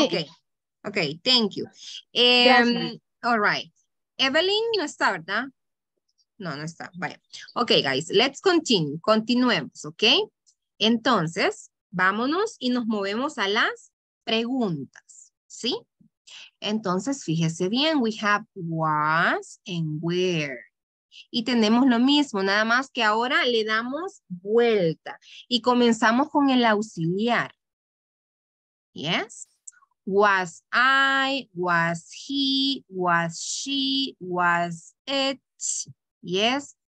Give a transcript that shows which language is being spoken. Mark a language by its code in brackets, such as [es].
[en] Ok, ok, thank you. All right. [es] Evelyn no está, ¿verdad? No, no está. Vaya. [en] Ok, guys, let's continue. [es] Continuemos, [en] ok. [es] Entonces, vámonos y nos movemos a las preguntas, ¿sí? Entonces, fíjese bien, [en] we have was and where. [es] Y tenemos lo mismo, nada más que ahora le damos vuelta y comenzamos con el auxiliar. [en] Yes. Was I, was he, was she, was it. Yes.